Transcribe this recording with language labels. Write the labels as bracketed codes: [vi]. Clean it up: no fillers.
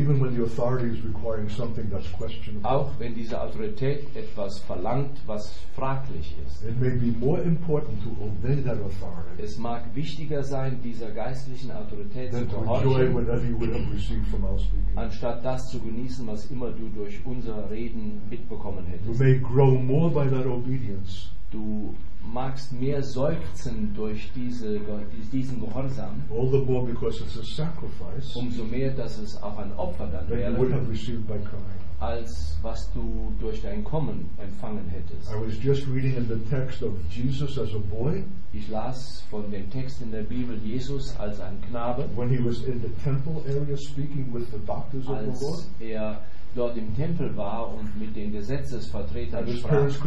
[en] Even when the authority is requiring something that's questionable, [de] auch wenn diese Autorität etwas verlangt, was fraglich ist. [en] It may be more important to obey that authority. [de] Es mag wichtiger sein, dieser geistlichen Autorität zu gehorchen, [en] to enjoy whatever you would have received from our speaking, [de] anstatt das zu genießen, was immer du durch unser Reden mitbekommen hättest. [en] You may grow more by that obedience. [de] Du magst mehr seufzen durch diesen Gehorsam, [en] all the more because it's a sacrifice, [de] umso mehr, dass es auch ein Opfer dann wäre, [en] you would have received by coming, [de] als was du durch dein Kommen empfangen hättest. [en] I was just reading in the text of Jesus as a boy, [de] ich las von dem Text in der Bibel Jesus als ein Knabe, [en] when he was in the temple area speaking with the doctors of the Lord, [de] er dort im Tempel war und mit den Gesetzesvertretern sprach.